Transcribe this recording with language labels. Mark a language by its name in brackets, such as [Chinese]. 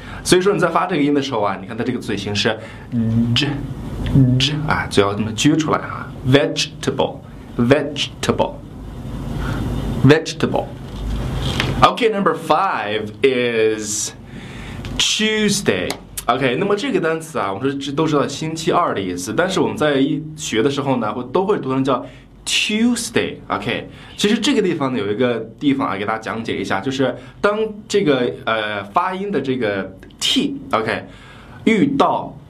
[Chinese] 所以说你在发这个音的时候啊，你看它这个嘴型是 z。啊，就要这么撅出来啊 ，vegetable, vegetable, vegetable. [English] Okay, number five is Tuesday. [Chinese] Okay, 那么这个单词啊，我们都知道星期二的意思，但是我们在学的时候呢，都会读成叫 Tuesday. Okay, 其实这个地方呢，有一个地方啊，给大家讲解一下，就是当这个发音的这个 T, okay, 遇到。